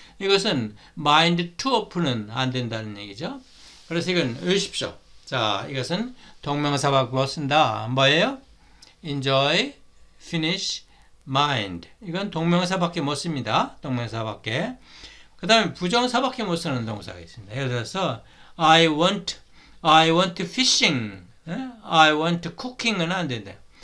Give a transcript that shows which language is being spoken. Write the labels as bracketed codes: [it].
[ko] 이것은 mind to open은 안 된다는 얘기죠. 그래서 이건 외우십시오. 자, 이것은 동명사 바꿔 쓴다. 뭐예요? enjoy, finish, mind. 이건 동명사밖에 못 씁니다. 동명사밖에. 그 다음에 부정사밖에 못 쓰는 동사가 있습니다. 예를 들어서, [en] I want fishing. I want cooking은 [ko] 안 된대.